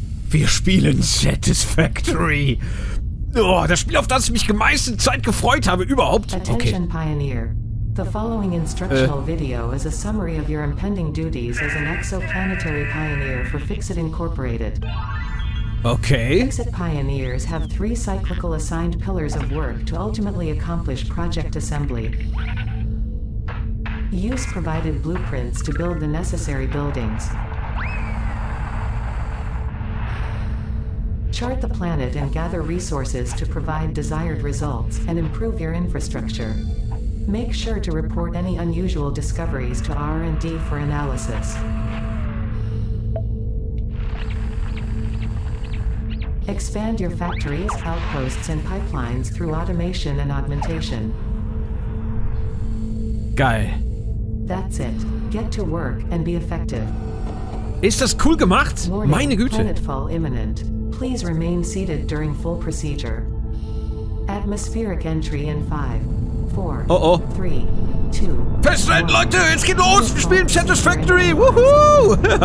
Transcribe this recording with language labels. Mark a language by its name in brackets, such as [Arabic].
[German] Wir spielen Satisfactory. Oh, das Spiel, auf das ich mich meiste Zeit gefreut habe, überhaupt. [English] Attention, okay. Pioneer. The following instructional video is a summary of your impending duties as an exoplanetary pioneer for Fixit Incorporated. Okay. Fixit pioneers have three cyclical assigned pillars of work to ultimately accomplish project assembly. Use provided blueprints to build the necessary buildings. Chart the planet and gather resources to provide desired results and improve your infrastructure. Make sure to report any unusual discoveries to R&D for analysis. Expand your factories, outposts and pipelines through automation and augmentation. [German] Geil. [English] That's it. Get to work and be effective. [German] Ist das cool gemacht? [English] Warning, [German] meine Güte. [English] Planetfall imminent. Please remain seated during full procedure. Atmospheric entry in 5. Oh oh. [German] Festhalten, Leute, es geht los! Wir spielen Satisfactory! Wuhu!